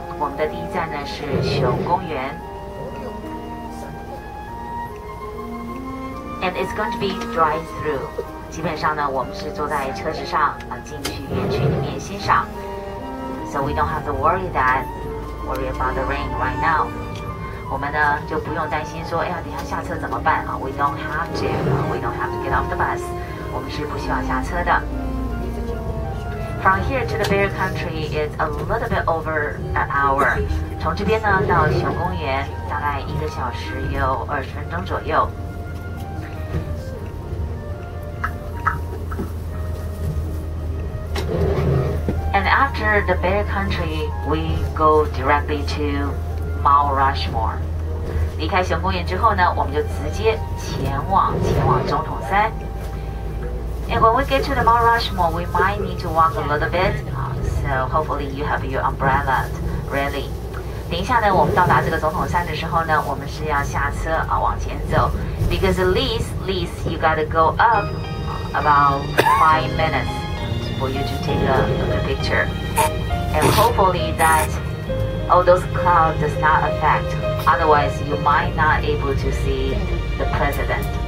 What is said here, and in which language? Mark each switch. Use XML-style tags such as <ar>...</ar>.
<zh>我们的第一站呢是熊公园。</zh> <en>And it's going to be drive-through.</en> <zh>基本上呢，我们是坐在车子上啊，进去园区里面欣赏。</zh> <en>So we don't have to worry about the rain right now.</en> <zh>我们呢就不用担心说，哎呀，等下下车怎么办啊 ？</zh> <en>We don't have to. We don't have to get off the bus.</en> <zh>我们是不需要下车的。</zh> <en>From here to the Bear Country is a little bit over an hour.</en> <zh>从这边呢到熊公园大概1个小时有20分钟左右。</zh> <en>After the Bear Country, we go directly to Mount Rushmore.</en> <zh>离开熊公园之后呢，我们就直接前往总统山。</zh> <en>And when we get to the Mount Rushmore, we might need to walk a little bit. So hopefully you have your umbrella ready.</en> <zh>等一下呢，我们到达这个总统山的时候呢，我们是要下车啊，往前走。</zh> <en>Because at least you gotta go up about 5 minutes. For you to take a picture, and hopefully that all those clouds does not affect. Otherwise, you might not able to see the president.</en>